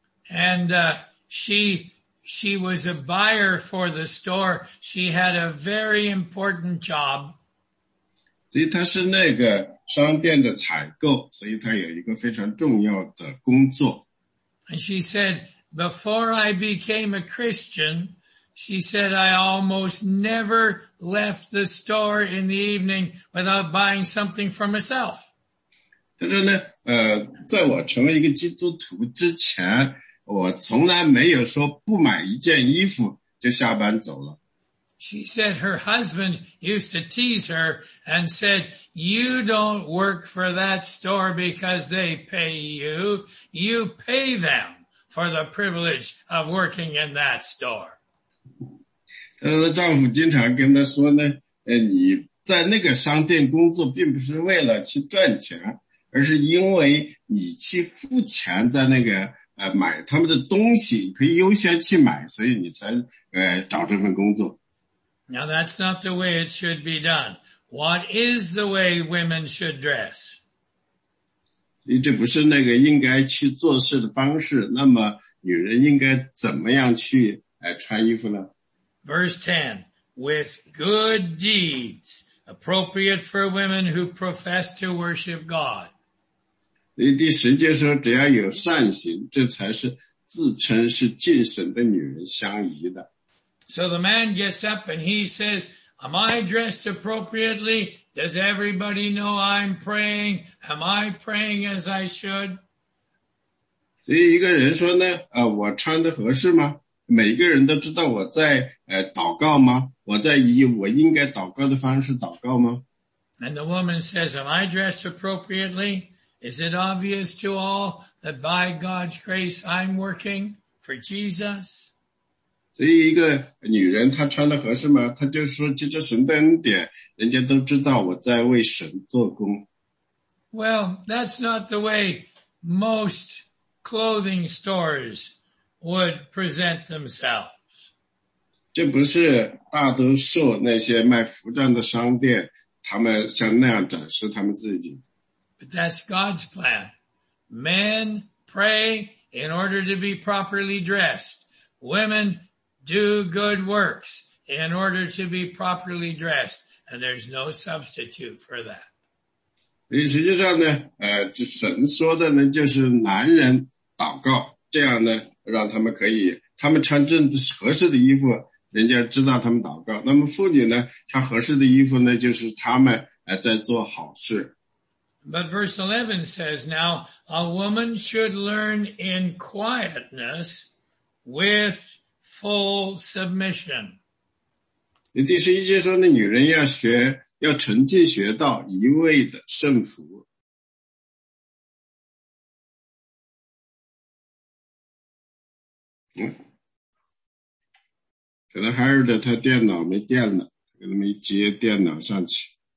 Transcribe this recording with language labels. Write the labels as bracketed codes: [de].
[en] And she was a buyer for the store. She had a very important job. [zh] 所以她是那个商店的采购，所以她有一个非常重要的工作。 [en] And she said, before I became a Christian, she said, I almost never left the store in the evening without buying something for myself. [zh] 她说呢，在我成为一个基督徒之前，我从来没有说不买一件衣服就下班走了。 [en] She said her husband used to tease her and said, you don't work for that store because they pay you. You pay them for the privilege of working in that store. [zh] 她说她丈夫经常跟她说呢，你在那个商店工作并不是为了去赚钱，而是因为你去付钱在那个买他们的东西，可以优先去买，所以你才找这份工作。 [en] Now that's not the way it should be done. What is the way women should dress? [zh] 所以这不是那个应该去做事的方式。那么女人应该怎么样去穿衣服呢？ [en] Verse 10, with good deeds, appropriate for women who profess to worship God. [zh] 所以第十节说，只要有善行，这才是自称是敬神的女人相宜的。 [en] So the man gets up and he says, am I dressed appropriately? Does everybody know I'm praying? Am I praying as I should? [zh] 所以一个人说呢，我穿得合适吗？每个人都知道我在祷告吗？我在以我应该祷告的方式祷告吗？ [en] And the woman says, am I dressed appropriately? Is it obvious to all that by God's grace I'm working for Jesus? [zh] 所以一个女人她穿得合适吗？她就说借着神的恩典，人家都知道我在为神做工。 [en] Well, that's not the way most clothing stores would present themselves. [zh] 这不是大多数那些卖服装的商店，他们像那样展示他们自己。 [en] But that's God's plan. Men pray in order to be properly dressed. Women do good works in order to be properly dressed. And there's no substitute for that. [zh] 实际上呢，神说的呢，就是男人祷告，这样呢，让他们可以，他们穿正合适的衣服，人家知道他们祷告。那么妇女呢，穿合适的衣服呢，就是他们在做好事。 [en] But verse 11 says, now a woman should learn in quietness with full submission. [zh] 第十一节说那女人要学要沉浸学到一味的顺服。可能 Harold 他电脑没电了，可能没接电脑上去。